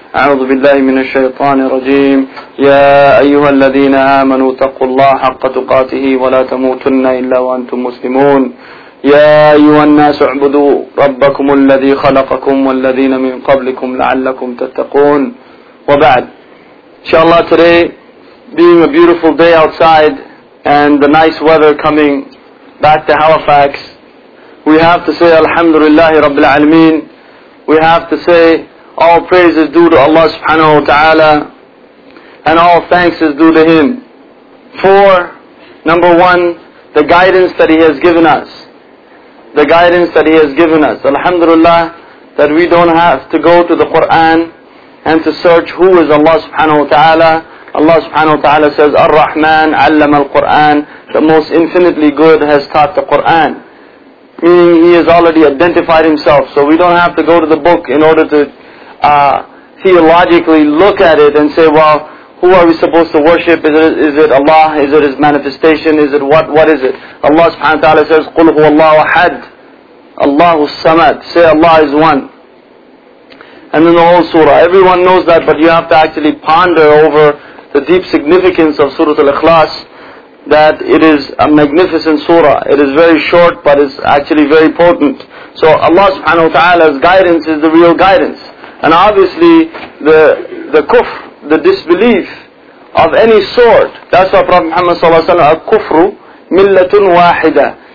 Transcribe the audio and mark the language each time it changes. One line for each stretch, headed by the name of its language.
Arabic: أعوذ بالله من الشيطان الرجيم. يا أيها الذين آمنوا اتقوا الله حق تقاته ولا تموتن إلا وأنتم مسلمون. يا أيها الناس اعبدوا ربكم الذي خلقكم والذين من قبلكم لعلكم تتقون. وبعد، إن شاء الله
English: today being a beautiful day outside and the nice weather coming back to Halifax, we have to say Alhamdulillahi Rabbil Alameen. We have to say all praise is due to Allah subhanahu wa ta'ala and all thanks is due to Him for, number one, the guidance that He has given us. The guidance that He has given us. Alhamdulillah that we don't have to go to the Qur'an and to search who is Allah subhanahu wa ta'ala. Allah subhanahu wa ta'ala says,
Arabic: Ar-Rahman, Allama al-Qur'an,
English: the most infinitely good has taught the Qur'an. Meaning He has already identified Himself. So we don't have to go to the book in order to theologically look at it and say, well, who are we supposed to worship? Is it Allah? Is it His manifestation? Is it what is it? Allah subhanahu wa ta'ala says,
Arabic: قُلْ هُوَ اللَّهُ أَحَدْ اللَّهُ السَّمَدْ.
English: Say Allah is one. And then the whole surah. Everyone knows that, but you have to actually ponder over the deep significance of Surah Al-Ikhlas. That it is a magnificent surah. It is very short, but it's actually very potent. So Allah subhanahu wa ta'ala's guidance is the real guidance. And obviously, the kufr, the disbelief of any sort, that's what Prophet Muhammad sallallahu alayhi wa sallam,
Arabic: al-kufru millatun wahida.